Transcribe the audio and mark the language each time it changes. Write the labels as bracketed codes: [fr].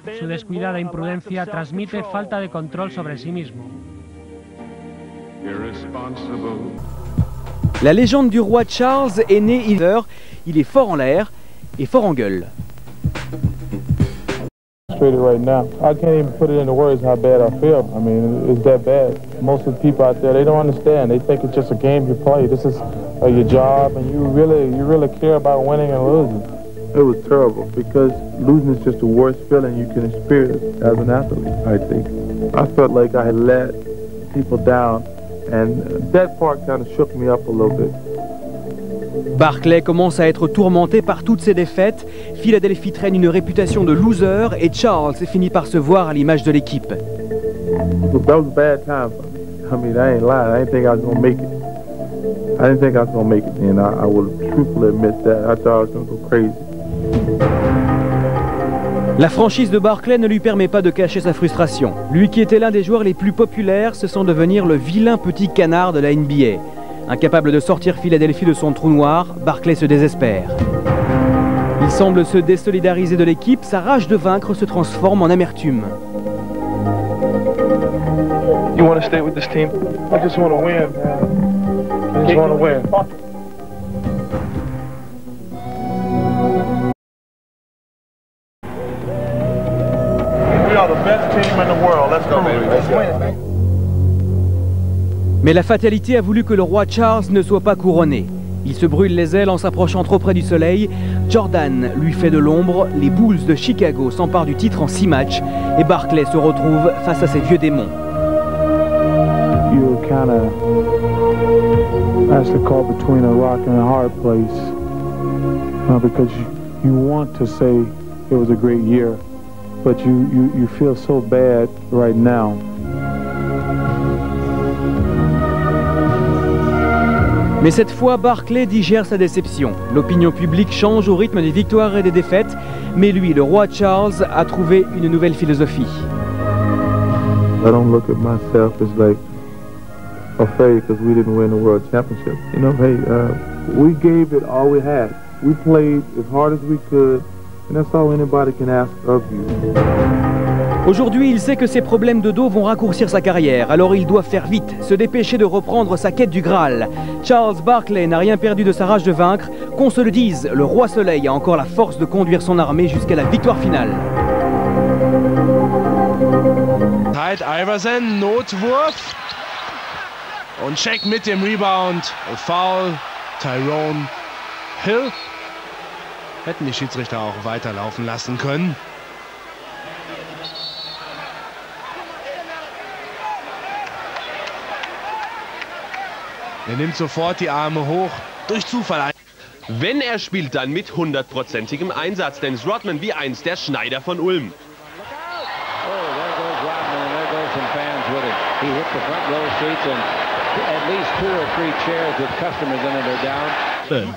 [es] Su descuidada imprudencia transmite falta de control sobre sí mismo. [fr] La légende du roi Charles est né Iver. Il est fort en l'air et fort en gueule. [en] Frustrated right now. I can't even put it into words how bad I feel. I mean, it's that bad. Most of the people out there, they don't understand. They think it's just a game you play. This is your job, and you really care about winning and losing. It was terrible because losing is just the worst feeling you can experience as an athlete, I think. I felt like I had let people down, and that part kind of shook me up a little bit. [fr] Barclay commence à être tourmenté par toutes ses défaites. Philadelphie traîne une réputation de loser et Charles finit par se voir à l'image de l'équipe. [en] That was a bad time for me. I mean, I ain't lying. I didn't think I was gonna make it. I didn't think I was gonna make it, and I will truthfully admit that. I thought I was gonna go crazy. [fr] La franchise de Barclay ne lui permet pas de cacher sa frustration. Lui qui était l'un des joueurs les plus populaires se sent devenir le vilain petit canard de la NBA. Incapable de sortir Philadelphie de son trou noir, Barclay se désespère. Il semble se désolidariser de l'équipe, sa rage de vaincre se transforme en amertume. [en] You want to stay with this team? I just want to win, man. I just want to win. We are the best team in the world. Let's go, baby. Let's win, man. [fr] Mais la fatalité a voulu que le roi Charles ne soit pas couronné. Il se brûle les ailes en s'approchant trop près du soleil. Jordan lui fait de l'ombre, les Bulls de Chicago s'emparent du titre en 6 matchs et Barclay se retrouve face à ses vieux démons. [en] You kind of, that's the call between a rock and a hard place. Because you want to say it was a great year, but you feel so bad right now. [fr] Mais cette fois, Barclay digère sa déception. L'opinion publique change au rythme des victoires et des défaites. Mais lui, le roi Charles, a trouvé une nouvelle philosophie. [en] I don't look at myself as like a failure because we didn't win the world championship. You know, hey, we gave it all we had. We played as hard as we could, and that's all anybody can ask of you. [fr] Aujourd'hui, il sait que ses problèmes de dos vont raccourcir sa carrière, alors il doit faire vite, se dépêcher de reprendre sa quête du Graal. Charles Barclay n'a rien perdu de sa rage de vaincre. Qu'on se le dise, le roi Soleil a encore la force de conduire son armée jusqu'à la victoire finale. [de] Tide Iverson, Notwurf. Und check mit dem Rebound. A foul, Tyrone Hill. Hätten die Schiedsrichter auch weiterlaufen lassen können. Er nimmt sofort die Arme hoch, durch Zufall ein. Wenn er spielt, dann mit hundertprozentigem Einsatz. Dennis Rodman wie einst der Schneider von Ulm. [en] Oh, there goes Rodman and there goes some fans with him. He hit the front row seats and at least two or three chairs with customers in it are down.